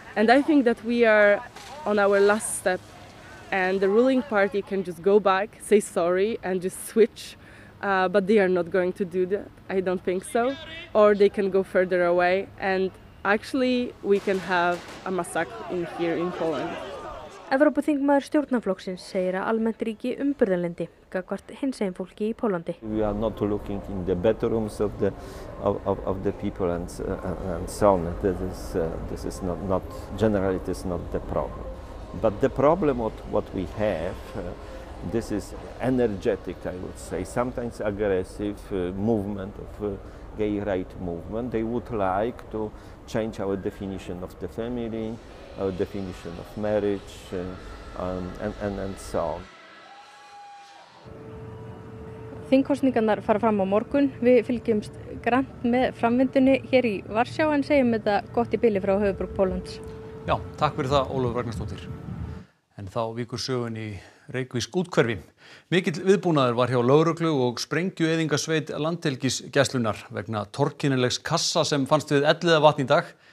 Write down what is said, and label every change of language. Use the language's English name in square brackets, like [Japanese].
[English] And I think that we are on our last step and the ruling party can just go back, say sorry and just switch, but they are not going to do that. I don't think so. Or they can go further away and actually we can have a massacre in here in Poland. [Icelandic] Evrópuþingmaður stjórnarflokksins segir að almennt ríki umburðarlyndi gagnvart hinsegin fólki í Póllandi. [English] We are not looking in the bedrooms of the people and so on. This is not generally, it is not the problem. But the problem what we have, this is energetic, I would say, sometimes aggressive movement of gay rights movement. They would like to change our definition of the family, our definition of marriage, and so on. [Icelandic] Þingkosningarnar fara fram á morgun. Við fylgjumst grannt með framvindunni hér í Varsjá en segjum þetta gott í bili frá höfuðborg Póllands. Já, takk fyrir það, Ólafur Ragnarsdóttir. En þá víkur sögun í Reykvísk úthverfi. Mikill viðbúnaður var hjá lögreglu og sprengjueyðingasveit landhelgisgæslunar vegna torkennilegs kassa sem fannst við Elliðavatn í dag.